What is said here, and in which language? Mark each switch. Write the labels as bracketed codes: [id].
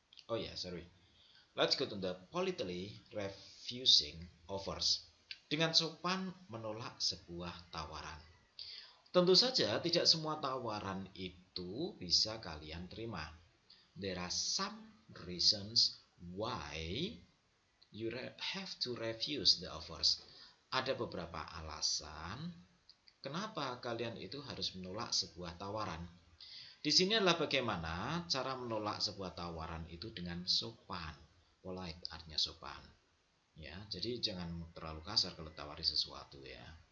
[en] Oh yeah, sorry. Let's go to the politely refusing offers. [id] Dengan sopan menolak sebuah tawaran. Tentu saja tidak semua tawaran itu bisa kalian terima. [en] There are some reasons why you have to refuse the offers. [id] Ada beberapa alasan kenapa kalian itu harus menolak sebuah tawaran. Di sini adalah bagaimana cara menolak sebuah tawaran itu dengan sopan. Polite artinya sopan. Ya, jadi jangan terlalu kasar kalau tawari sesuatu ya.